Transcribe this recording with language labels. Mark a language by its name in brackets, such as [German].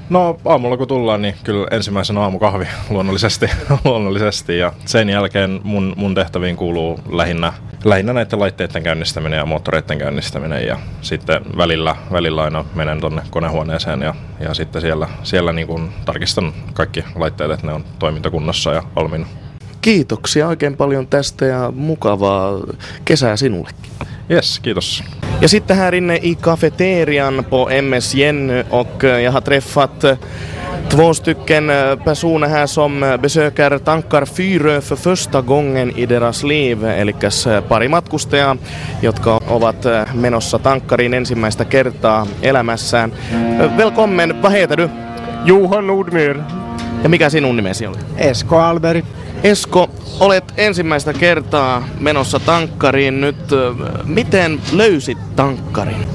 [Finnish] No aamulla kun tullaan, niin kyllä ensimmäisen aamukahvi luonnollisesti ja sen jälkeen mun tehtäviin kuuluu lähinnä näiden laitteiden käynnistäminen ja moottoreiden käynnistäminen ja sitten välillä aina menen tuonne konehuoneeseen ja sitten siellä niin kuin tarkistan kaikki laitteet, että ne on toimintakunnossa ja valmiina. Kiitoksia oikein paljon tästä ja mukavaa kesää sinullekin. Yes, kiitos. Ja sitten [Swedish] här inne i cafeterian på MS Jenny och jag har träffat två stycken personer här som besöker tankar Fyrö för första gången i deras liv. [Finnish] Eli pari matkustajaa, jotka ovat menossa tankkariin ensimmäistä kertaa elämässään. [Swedish] Välkommen, vad heter du? Johan Nordmyr. [Finnish] Ja mikä sinun nimesi oli? Esko Alberg. Esko, olet ensimmäistä kertaa menossa tankkariin nyt. Miten löysit tankkarin?